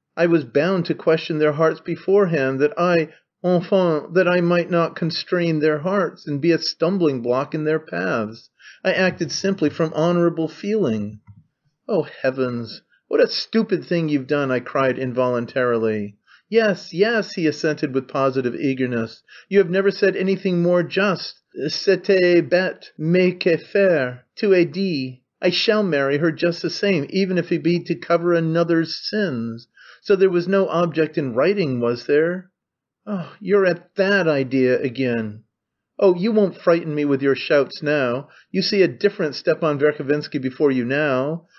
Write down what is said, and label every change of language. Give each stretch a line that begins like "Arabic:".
English: I was bound to question their hearts beforehand, that I, enfin, that I might not constrain their hearts and be a stumbling block in their paths. I acted simply from honorable feeling. Oh, heavens! What a stupid thing you've done, I cried involuntarily. Yes, yes, he assented with positive eagerness. You have never said anything more just.
French: C'était bête, mais que faire, tu es dit.
English: I shall marry her just the same, even if it be to cover another's sins. So there was no object in writing, was there? Oh, you're at that idea again. Oh, you won't frighten me with your shouts now. You see a different Stepan Verkhovensky before you now.